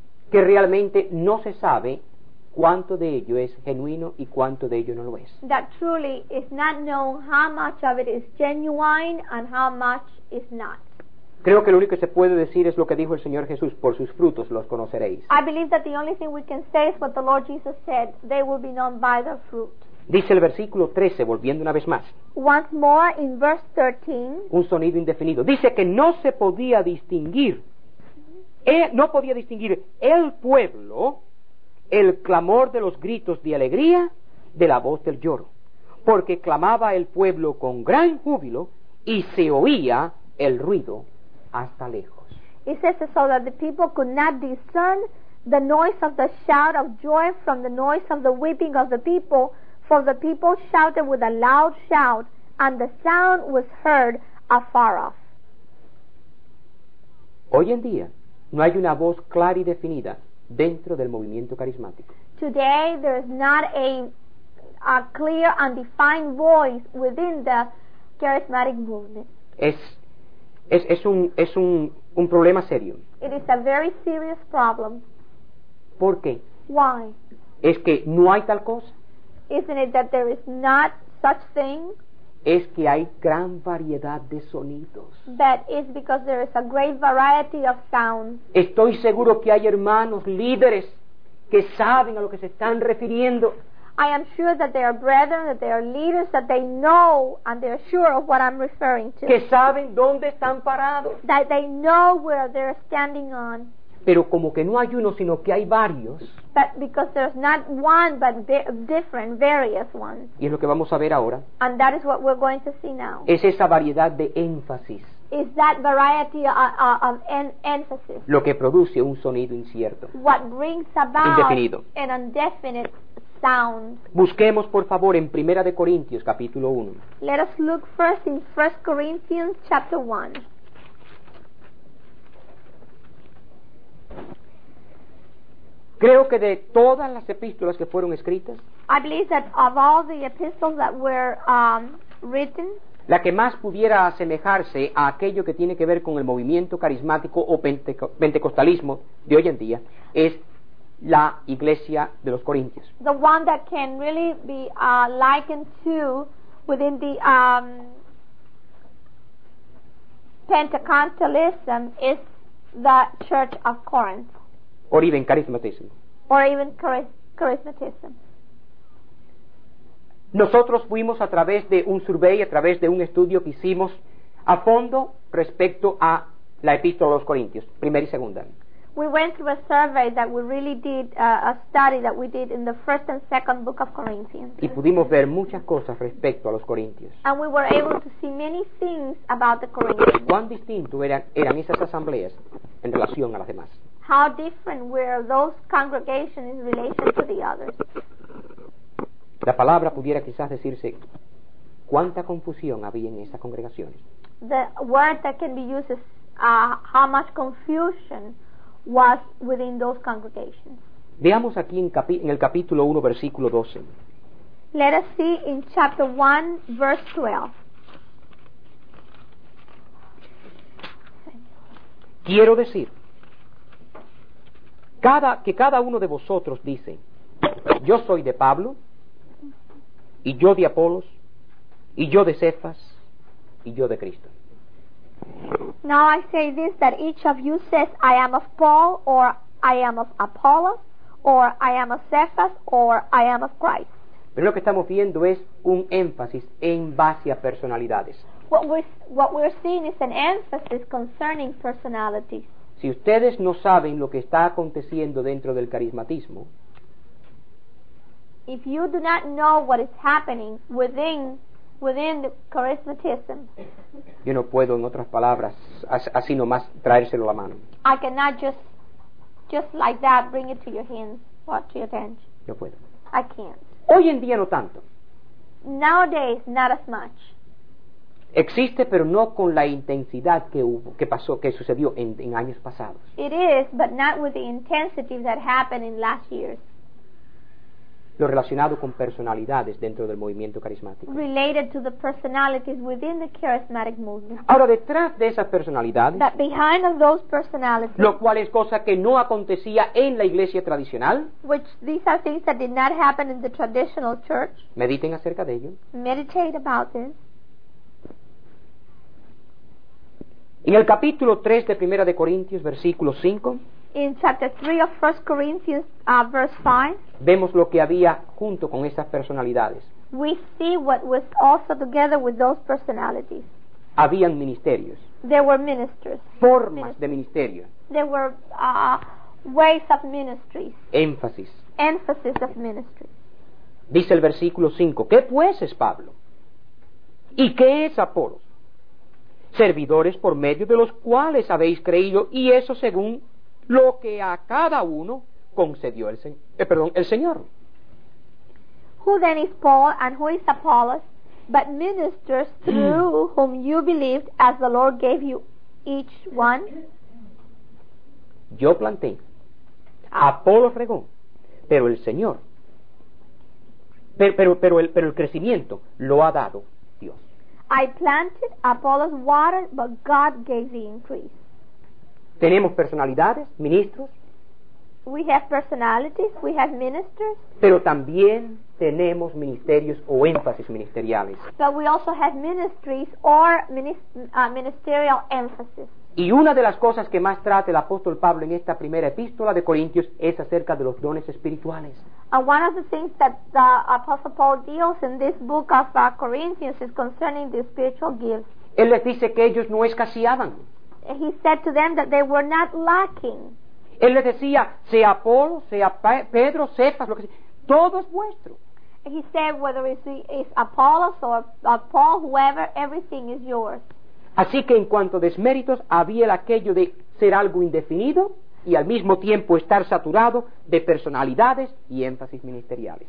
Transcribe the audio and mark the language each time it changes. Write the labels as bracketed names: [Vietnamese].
[Spanish] Que realmente no se sabe cuánto de ello es genuino y cuánto de ello no lo es. [English] That truly is not known how much of it is genuine and how much is not. [Spanish] Creo que lo único que se puede decir es lo que dijo el Señor Jesús, por sus frutos los conoceréis. [English] I believe that the only thing we can say is what the Lord Jesus said, they will be known by their fruit. [Spanish] Dice el versículo 13, volviendo una vez más. [English] Once more in verse 13. [Spanish] Un sonido indefinido. Dice que no se podía distinguir, no podía distinguir el pueblo el clamor de los gritos de alegría de la voz del lloro, porque clamaba el pueblo con gran júbilo y se oía el ruido hasta lejos. [English] It says so that the people could not discern the noise of the shout of joy from the noise of the weeping of the people, for the people shouted with a loud shout and the sound was heard afar off. [Spanish] Hoy en día no hay una voz clara y definida dentro del movimiento carismático. [English] Today there is not a clear and defined voice within the charismatic movement. [Spanish] Es un problema serio. [English] It is a very serious problem. [Spanish] ¿Por qué? [English] Why? [Spanish] Es que no hay tal cosa. [English] Isn't it that there is not such thing? [Spanish] Es que hay gran variedad de sonidos. [English] That is because there is a great variety of sounds. [Spanish] Estoy seguro que hay hermanos líderes que saben a lo que se están refiriendo. [English] I am sure that they are brethren, that they are leaders, that they know and they are sure of what I'm referring to. [Spanish] Que saben dónde están parados. [English] That they know where they're standing on. [Spanish] Pero como que no hay uno, sino que hay varios. [English] But because there's not one, but different, various ones. [Spanish] Y es lo que vamos a ver ahora. [English] And that is what we're going to see now. [Spanish] Es esa variedad de énfasis. [English] Is that variety of emphasis. [Spanish] Lo que produce un sonido incierto. [English] What brings about [Spanish] indefinido. [English] An indefinite sound. [Spanish] Busquemos por favor en Primera de Corintios capítulo 1. [English] Let us look first in 1 Corinthians chapter 1. [Spanish] Creo que de todas las epístolas que fueron escritas, [English] I believe that of all the epistles that were written, [Spanish] la que más pudiera asemejarse a aquello que tiene que ver con el movimiento carismático o pentecostalismo de hoy en día es la iglesia de los Corintios. [English] The one that can really be likened to within the pentecostalism is the church of Corinth. Or even charismatism. Or even charismatism. [Spanish] Nosotros fuimos a través de un survey, a través de un estudio que hicimos a fondo respecto a la epístola a los Corintios, primera y segunda. [English] We went through a survey that we really did, a study that we did in the first and second book of Corinthians. [Spanish] Y pudimos ver muchas cosas respecto a los Corintios. [English] And we were able to see many things about the Corinthians. [Spanish] ¿Cuán distinto eran esas asambleas en relación a las demás? [English] How different were those congregations in relation to the others? [Spanish] La palabra pudiera quizás decirse, ¿cuánta confusión había en esas congregaciones? [English] The word that can be used is how much confusion was within those congregations. [Spanish] Veamos aquí en el capítulo 1, versículo 12. [English] Let us see in chapter 1, verse 12. [Spanish] Quiero decir, que cada uno de vosotros dice, yo soy de Pablo, y yo de Apolos, y yo de Cefas, y yo de Cristo. [English] Now I say this, that each of you says, I am of Paul, or I am of Apollos, or I am of Cephas, or I am of Christ. [Spanish] Pero lo que estamos viendo es un énfasis en base a personalidades. [English] What we're seeing is an emphasis concerning personalities. [Spanish] Si ustedes no saben lo que está aconteciendo dentro del carismatismo, [English] if you do not know what is happening within the charismatism, [Spanish] yo no puedo, en otras palabras, así nomás traérselo a la mano. [English] I cannot just like that bring it to your hands or to your attention. [Spanish] No puedo. [English] I can't. [Spanish] Hoy en día no tanto. [English] Nowadays, not as much. [Spanish] Existe, pero no con la intensidad que hubo, que pasó, que sucedió en años pasados. [English] It is, but not with the intensity that happened in last years. [Spanish] Lo relacionado con personalidades dentro del movimiento carismático. [English] Related to the personalities within the charismatic movement. [Spanish] Ahora, detrás de esas personalidades, [English] that behind of those personalities, [Spanish] lo cual es cosa que no acontecía en la iglesia tradicional, [English] which these are things that did not happen in the traditional church, [Spanish] mediten acerca de ello. [English] Meditate about this. [Spanish] En el capítulo 3 de Primera de Corintios, versículo 5, [English] in chapter 3 of 1 Corinthians, verse 5, [Spanish] vemos lo que había junto con esas personalidades. [English] We see what was also together with those personalities. [Spanish] Habían ministerios. [English] There were ministers. [Spanish] Formas ministers. De ministerio. [English] There were ways of ministries. [Spanish] Énfasis. [English] Emphasis of ministry. [Spanish] Dice el versículo 5, ¿qué pues es Pablo? ¿Y qué es Apolos? Servidores por medio de los cuales habéis creído, y eso según lo que a cada uno concedió el Señor. [English] Who then is Paul and who is Apollos, but ministers through whom you believed, as the Lord gave you each one? [Spanish] Yo planté, Apolos regó, pero el Señor, pero el crecimiento lo ha dado Dios. [English] I planted, Apollos watered, but God gave the increase. [Spanish] Tenemos personalidades, ministros. [English] We have personalities, we have ministers. [Spanish] Pero también tenemos ministerios o énfasis ministeriales. [English] But we also have ministries or ministerial emphasis. [Spanish] Y una de las cosas que más trata el apóstol Pablo en esta primera epístola de Corintios es acerca de los dones espirituales. [English] And one of the things that the apostle Paul deals in this book of Corinthians is concerning the spiritual gifts. [Spanish] Él les dice que ellos no escaseaban. [English] He said to them that they were not lacking. [Spanish] Él les decía, sea Apolo, sea Pedro, Cephas, lo que sea, todo es vuestro. [English] He said, whether it's Apollos or Paul, whoever, everything is yours. [Spanish] Así que en cuanto a desméritos, había aquello de ser algo indefinido y al mismo tiempo estar saturado de personalidades y énfasis ministeriales.